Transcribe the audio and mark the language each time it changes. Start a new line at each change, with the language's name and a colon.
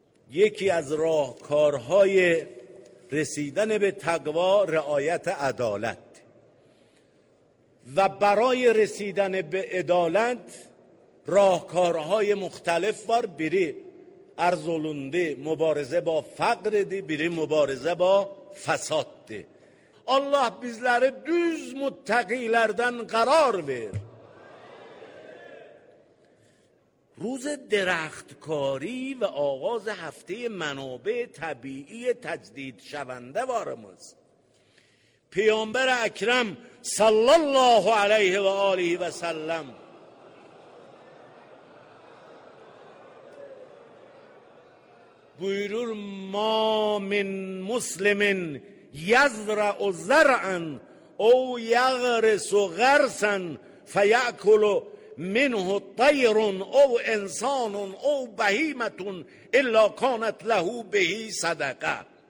Persian: یکی از راهکارهای رسیدن به تقوا رعایت عدالت، و برای رسیدن به عدالت راهکارهای مختلف
Azerbaijani: بار بیری ارزولنده
Persian: مبارزه با فقر دی، بیری مبارزه با فساد دی.
Azerbaijani: الله بیزلره دوز متقیلردن قرار بیر.
Persian: روز درختکاری و آغاز هفته منابع طبیعی تجدید شونده
Azerbaijani: وارموز.
Persian: پیامبر اکرم
Arabic: صلی الله علیه و آله و سلم
Azerbaijani: بیرور
Arabic: ما من مسلم یزرع زرعا او یغرس غرسا فیأکل منه طیر او انسان او بهیمه الا کانت له به صدقه.